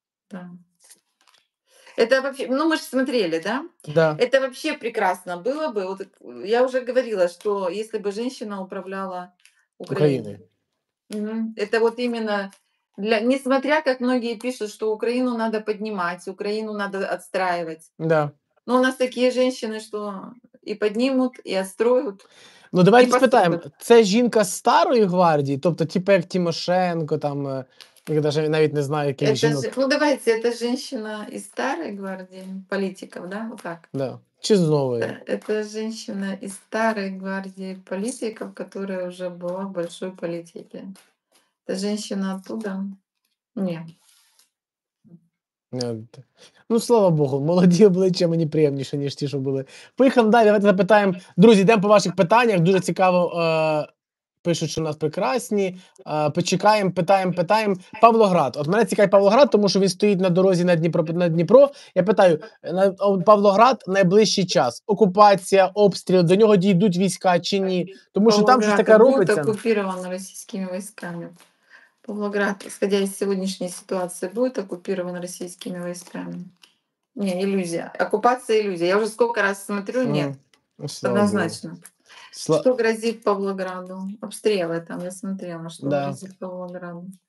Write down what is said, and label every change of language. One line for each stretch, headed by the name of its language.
Russian: Да. Это вообще, ну мы же смотрели, да? Да. Это вообще прекрасно было бы. Вот я уже говорила, что если бы женщина управляла Украиной. Это вот именно для, несмотря как многие пишут, что Украину надо поднимать, Украину надо отстраивать. Да. Но у нас такие женщины, что
Ukrainian: і піднімуть, і
Russian: отстроють.
Ukrainian: Ну, давайте спитаємо, це жінка старої гвардії? Тобто, типу, як Тимошенко, там, я навіть не знаю, яких
Russian: это
Ukrainian: жінок. Ну, давайте, це жінка із старої гвардії політиків, да?
Russian: Вот так?
Ukrainian: Да. Чи з нової? Це жінка із старої гвардії політиків, яка вже була в великій політиці. Це жінка оттуда? Ні. Ну, слава Богу, молоді обличчя мені приємніше, ніж ті, що були. Поїхали далі, давайте запитаємо. Друзі, йдемо по ваших питаннях. Дуже цікаво, пишуть, що у нас прекрасні. Почекаємо, питаємо. Павлоград. От мене цікавить Павлоград, тому що він стоїть на дорозі на Дніпро. Я питаю, Павлоград найближчий час? Окупація, обстріл, до нього дійдуть війська чи ні? Тому що Павлоград, там щось таке робиться. Павлоград буде окупірована російськими військами.
Russian: Павлоград, исходя из сегодняшней ситуации, будет оккупирован российскими войсками? Не, иллюзия. Оккупация – иллюзия. Я уже сколько раз смотрю – нет. Слава однозначно. Что грозит Павлограду? Обстрелы там, я смотрела, что грозит Павлограду.